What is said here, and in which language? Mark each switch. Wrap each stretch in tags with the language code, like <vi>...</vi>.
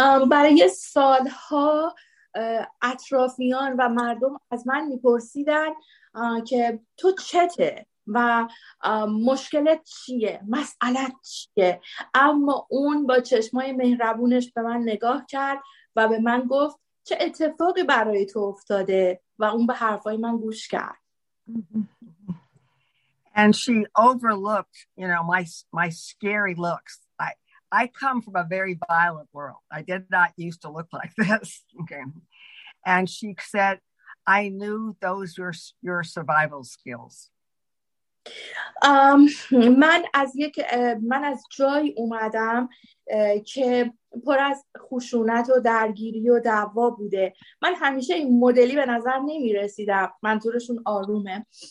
<fa>برای سالها اطرافیان و مردم از من میپرسیدن که تو چته و مشکلت چیه، مسئلت چیه، اما اون با چشمای مهربونش به من نگاه کرد و به من گفت چه اتفاقی برای تو افتاده و اون به حرفای من گوش کرد.</fa> <en>And she overlooked, you know, my scary looks. I come from a very violent world. I did not used to look like this. Okay. And she said, I knew those were your survival skills.</en> <fa>من از جای اومدم که پر از خشونت و درگیری و دعوا بوده. من همیشه این مدلی به نظر نمی رسیدم. منظورشون آرومه.</fa>